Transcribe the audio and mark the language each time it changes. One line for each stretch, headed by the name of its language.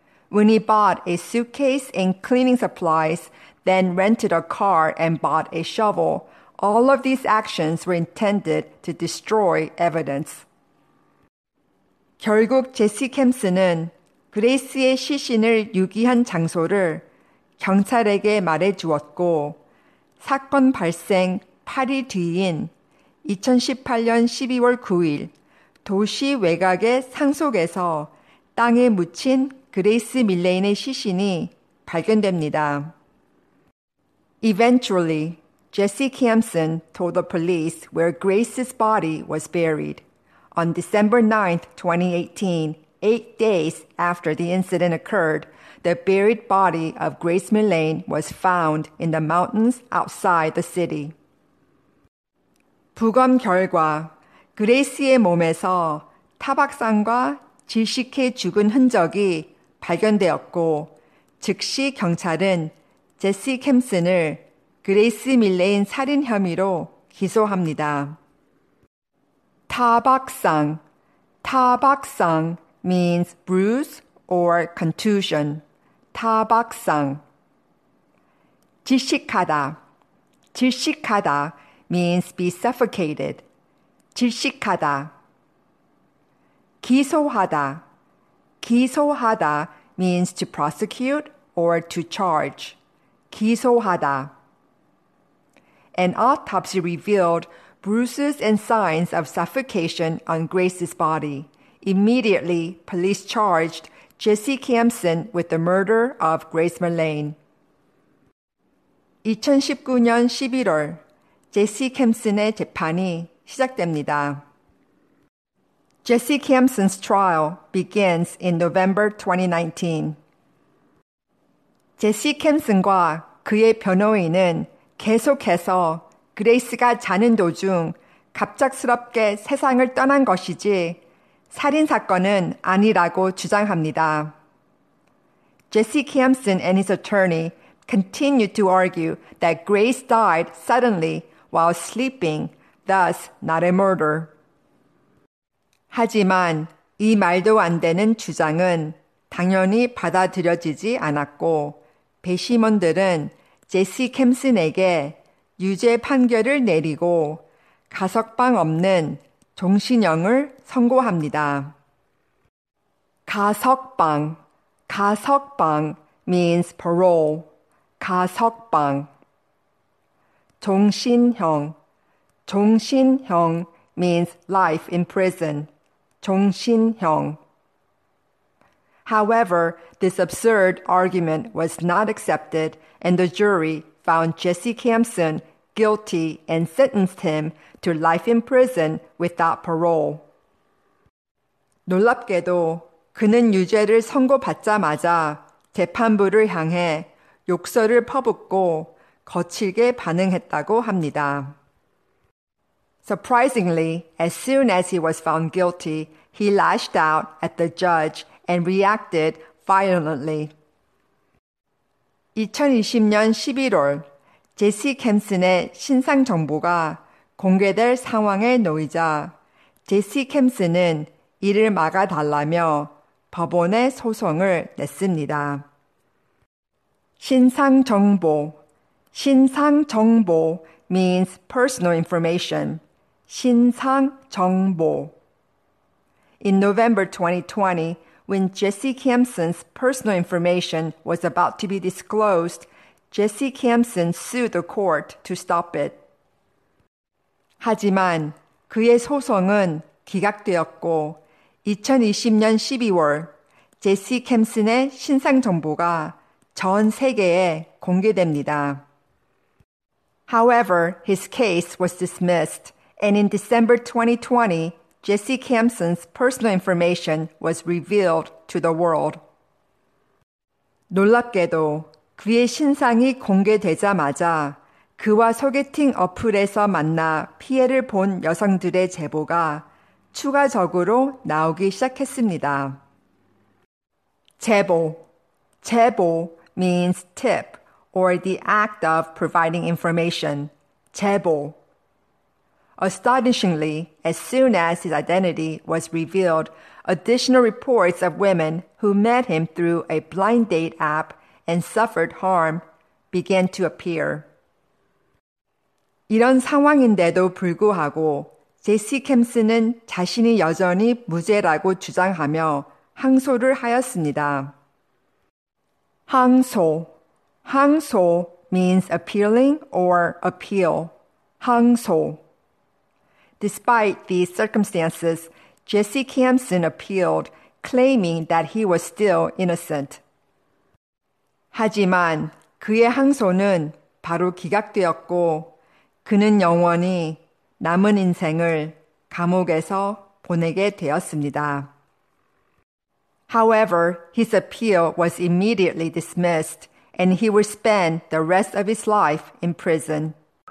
English: When he bought a suitcase and cleaning supplies, then rented a car and bought a shovel, all of these actions were intended to destroy evidence.
Korean: 결국 제시 캠슨은 그레이스의 시신을 유기한 장소를 경찰에게 말해주었고, 사건 발생 8일 뒤인 2018년 12월 9일 도시 외곽의 상속에서 땅에 묻힌 그레이스 밀레인의 시신이 발견됩니다.
English: Eventually, Jesse Campson told the police where Grace's body was buried. On December 9, 2018, 8 days after the incident occurred, the buried body of Grace Mullane was found in the mountains outside the city.
Korean: 부검 결과, 그레이스의 몸에서 타박상과 질식해 죽은 흔적이 발견되었고, 즉시 경찰은 제시 캠슨을 그레이스 밀레인 살인 혐의로 기소합니다.
English: 타박상. 타박상 means bruise or contusion.
Korean: 타박상. 질식하다. 질식하다
English: means be suffocated.
Korean: 질식하다. 기소하다.
English: 기소하다 means to prosecute or to charge.
Korean: 기소하다.
English: An autopsy revealed bruises and signs of suffocation on Grace's body. Immediately, police charged Jesse Campson with the murder of Grace Mullane.
Korean: 2019년 11월, 제시 캠슨의 재판이 시작됩니다.
English: Jesse Campson's trial begins in November 2019.
Korean: 제시 캠슨과 그의 변호인은 계속해서 그레이스가 자는 도중 갑작스럽게 세상을 떠난 것이지 살인사건은 아니라고 주장합니다.
English: Jesse Campson and his attorney continue to argue that Grace died suddenly while sleeping, thus not a murder.
Korean: 하지만 이 말도 안 되는 주장은 당연히 받아들여지지 않았고 배심원들은 제시 캠슨에게 유죄 판결을 내리고 가석방 없는 종신형을 선고합니다. 가석방. 가석방
English: means parole.
Korean: 가석방.
English: 종신형. 종신형 means life in prison.
Korean: 종신형.
English: However, this absurd argument was not accepted and the jury found Jesse Campson guilty and sentenced him to life in prison without parole.
Korean: 놀랍게도 그는 유죄를 선고받자마자 재판부를 향해 욕설을 퍼붓고 거칠게 반응했다고 합니다.
English: Surprisingly, as soon as he was found guilty, he lashed out at the judge and reacted violently.
Korean: 2020년 11월, 제시 캠슨의 신상 정보가 공개될 상황에 놓이자 제시 캠슨은 이를 막아달라며 법원에 소송을 냈습니다. 신상 정보. 신상 정보
English: means personal information.
Korean: 신상 정보.
English: In November 2020, when Jesse Campson's personal information was about to be disclosed, Jesse Campson sued the court to stop it.
Korean: 하지만 그의 소송은 기각되었고 2020년 12월 제시 캠슨의 신상 정보가 전 세계에 공개됩니다.
English: However, his case was dismissed and in December 2020, Jesse Campson's personal information was revealed to the world.
Korean: 놀랍게도 그의 신상이 공개되자마자 그와 소개팅 어플에서 만나 피해를 본 여성들의 제보가 추가적으로 나오기 시작했습니다. 제보.
English: 제보 means tip or the act of providing information.
Korean: 제보.
English: Astonishingly, as soon as his identity was revealed, additional reports of women who met him through a blind date app and suffered harm began to appear.
Korean: 이런 상황인데도 불구하고 제시 캠슨은 자신이 여전히 무죄라고 주장하며 항소를 하였습니다.
English: 항소. 항소 means appealing or appeal.
Korean: 항소.
English: Despite these circumstances, Jesse Campson appealed, claiming that he was still innocent.
Korean: 하지만 그의 항소는 바로 기각되었고 그는 영원히 남은 인생을 감옥에서 보내게 되었습니다.
English: However, his appeal was immediately dismissed and he will spend the rest of his life in prison.